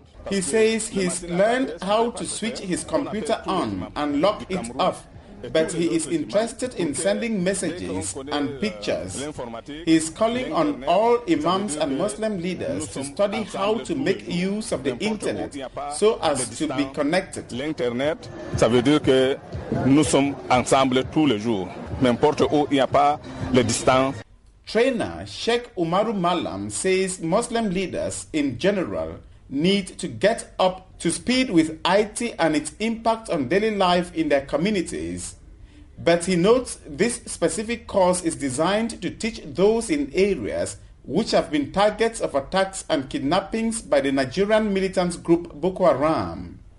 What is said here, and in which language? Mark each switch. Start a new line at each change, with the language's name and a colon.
English: He says he's learned how to switch his computer on and lock it off, but he is interested in sending messages and pictures. He is calling on all imams and Muslim leaders to study how to make use of the internet so as to be connected.
French: L'internet, ça veut dire que nous sommes ensemble tous les jours, n'importe où, il n'y a pas de distance.
English: Trainer Sheikh Umaru Malam says Muslim leaders in general need to get up to speed with IT and its impact on daily life in their communities. But he notes this specific course is designed to teach those in areas which have been targets of attacks and kidnappings by the Nigerian militant group Boko Haram.